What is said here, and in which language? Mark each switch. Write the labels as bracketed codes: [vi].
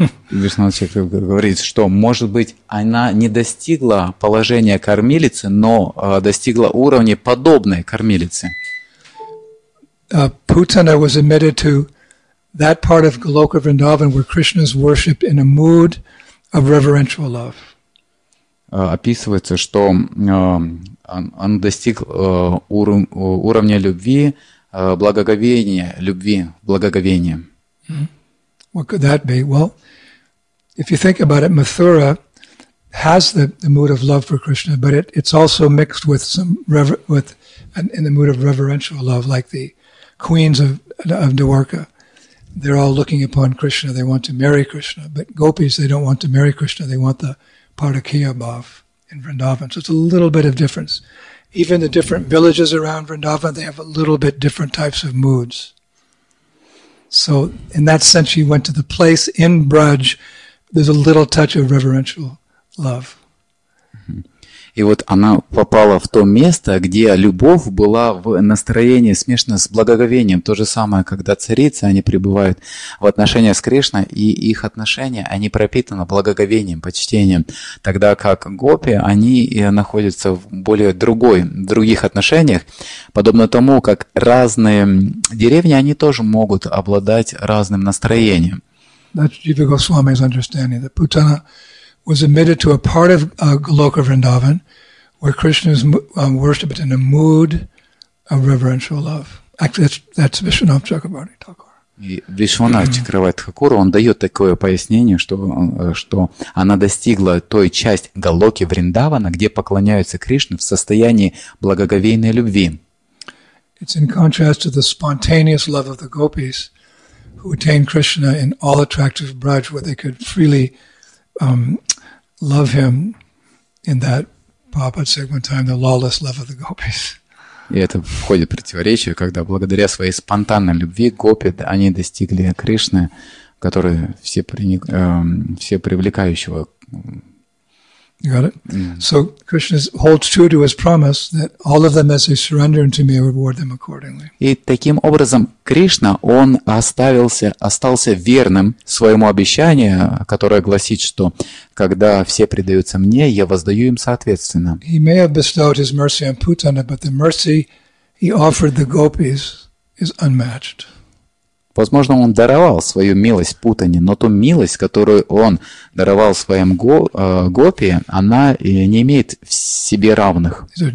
[ru] Вишнава Чакравати говорит, что, может быть, она не достигла положения кормилицы, но достигла уровня подобной кормилицы. [en] Putana was admitted to that part of Goloka Vrindavan where Krishna is worshipped in a mood of reverential love. [ru] Описывается, что он достиг уровня любви, благоговения, любви, благоговения. [en] What could that be? Well, if you think about it, Mathura has the mood of love for Krishna, but it's also mixed with in the mood of reverential love, like the queens of Dwarka. They're all looking upon Krishna, they want to marry Krishna, but gopis, they don't want to marry Krishna, they want the Parakiya Bhav in Vrindavan. So it's a little bit of difference. Even the different villages around Vrindavan, they have a little bit different types of moods. So in that sense, she went to the place in Braj, there's a little touch of reverential love. [ru] И вот она попала в то место, где любовь была в настроении смешана с благоговением. То же самое, когда царицы, они пребывают в отношениях с Кришной, и их отношения, они пропитаны благоговением, почтением. Тогда как гопи, они находятся в более других отношениях. Подобно тому, как разные деревни, они тоже могут обладать разным настроением. [en] That's Jiva Goswami's understanding, that Putana was admitted to a part of Goloka Vrindavan where Krishna is worshipped in a mood of reverential love. Actually, that's Vishwanath Chakravarti Thakur. [ru] Vishwanath Chakravarti Thakur, он дает такое пояснение, что она достигла той части Голоки Вриндавана, где поклоняются Кришне в состоянии благоговейной любви. [en] It's in contrast to the spontaneous love of the gopis who attained Krishna in all attractive Braj where they could freely love him in that Prabhupada said one time, the lawless love of the gopis. [ru] И это входит в противоречие, когда благодаря своей спонтанной любви гопи, они достигли Кришны, который все привлекающего. [en] You got it? So Krishna holds true to his promise that all of them, as they surrender unto me, I reward them accordingly. [ru] И таким образом Кришна, он остался верным своему обещанию, которое гласит, что когда все предаются мне, я воздаю им соответственно. [en] He may have bestowed his mercy on Putana, but the mercy he offered the gopis is unmatched. [ru] Возможно, он даровал свою милость Путане, но ту милость, которую он даровал своим гопи, она не имеет в себе равных.